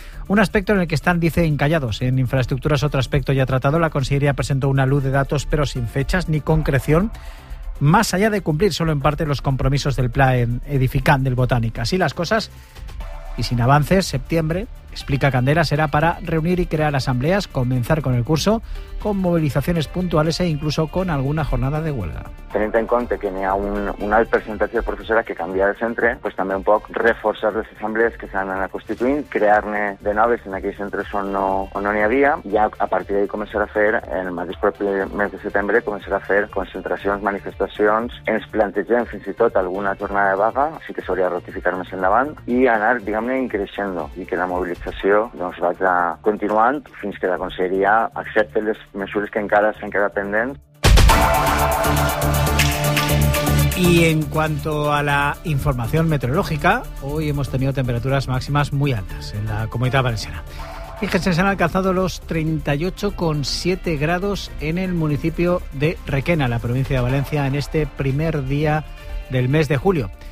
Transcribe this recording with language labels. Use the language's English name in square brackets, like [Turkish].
[Spanish] Un aspecto en el que están, dice, encallados. En infraestructuras, otro aspecto ya tratado, la Consellería presentó una luz de datos, pero sin fechas ni concreción, más allá de cumplir solo en parte los compromisos del plan Edificant del Botánica. Así las cosas, y sin avances, septiembre, explica Candela, será para reunir y crear asambleas, comenzar con el curso, con movilizaciones puntuales e incluso con alguna jornada de huelga. [Catalan] Tenint en compte que n'hi ha un alt percentatge de professora que canvia de centre, pues també un poc reforçar les assemblees que s'han anat constituint, crear-ne de noves en aquells centres on no n'hi havia, i a partir d'ahí començarà a fer, en el mateix propi mes de setembre, començarà a fer concentracions, manifestacions, ens plantegem fins i tot alguna jornada de vaga, així que s'hauria de rectificar més endavant, i anar, diguem-ne, increixent-lo, i que la mobilització doncs vagi continuant fins que la Conselleria accepti les mesures que encara s'han quedat pendents. [Spanish] Y en cuanto a la información meteorológica, hoy hemos tenido temperaturas máximas muy altas en la Comunidad Valenciana. Fíjense, se han alcanzado los 38,7 grados en el municipio de Requena, la provincia de Valencia, en este primer día del mes de julio.